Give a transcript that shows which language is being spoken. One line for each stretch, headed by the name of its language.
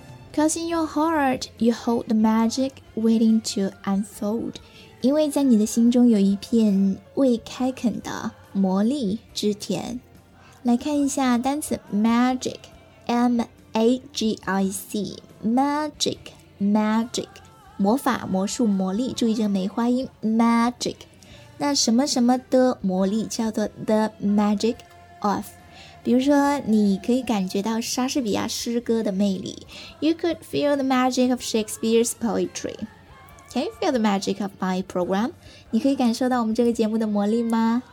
English: Because in your heart, you hold the magic waiting to unfold.
Chinese: 因为在你的心中有一片未开垦的魔力之田。来看一下单词 magic, M-A-G-I-C, magic, magic, 魔法、魔术、魔力，注意这个梅花音 magic。那什么什么的魔力叫做 the magic of。比如说你可以感觉到莎士比亚诗歌的魅力。
English: You could feel the magic of Shakespeare's poetry. Can you feel the magic of my program?
Chinese: 你可以感受到我们这个节目的魔力吗？